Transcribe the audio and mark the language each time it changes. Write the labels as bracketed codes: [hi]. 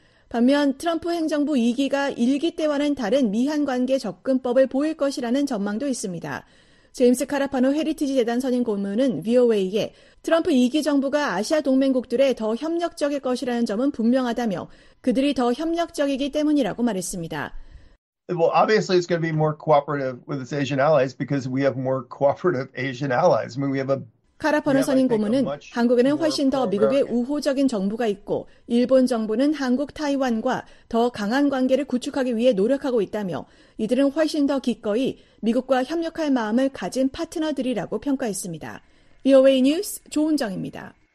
[ko] 반면 트럼프 행정부 2기가 1기 때와는 다른 미한관계 접근법을 보일 것이라는 전망도 있습니다. 제임스 카라파노 헤리티지 재단 선임 고문은 VOA에 트럼프 2기 정부가 아시아 동맹국들에 더 협력적일 것이라는 점은 분명하다며 그들이 더 협력적이기 때문이라고 말했습니다. [en] Well, obviously, it's going to be more cooperative with its Asian allies because we have more cooperative Asian allies. I mean, we have a [ko] 카라파노 선임 고문은 한국에는 훨씬 더 미국의 우호적인 정부가 있고 일본 정부는 한국 타이완과 더 강한 관계를 구축하기 위해 노력하고 있다며 이들은 훨씬 더 기꺼이 미국과 협력할 마음을 가진 파트너들이라고 평가했습니다. VOA 뉴스 조은정입니다.